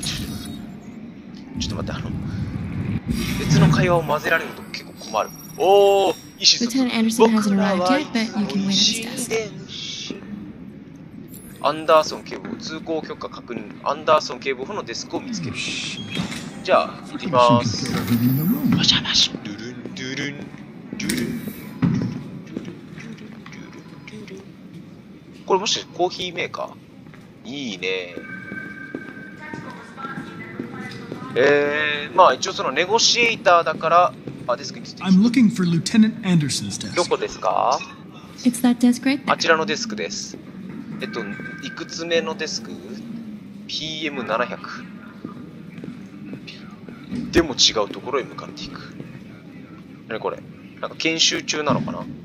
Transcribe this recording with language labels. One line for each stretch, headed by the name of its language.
Japanese: ちょっと待って、別の会話を混ぜられると結構困る。おお、意思疎通。
English: Lieutenant Anderson hasn't arrived yet, but you can wait at his desk.
Japanese: アンダーソン警部補、通行許可確認、アンダーソン警部補のデスクを見つける。じゃあ、行きまーす。お邪魔し。ドゥルンドゥルンドゥルンドゥルンドゥルンドゥルンドゥルン。これもしかしてコーヒーメーカー?いいね。まあ一応そのネゴシエーターだから、あ、デスクについて。
English: I'm looking for Lieutenant Anderson's desk.
Japanese: どこですか?
English: It's that desk right there.
Japanese: あちらのデスクです。いくつ目のデスク ?PM700。でも違うところへ向かっていく。何これ? なんか研修中なのかな?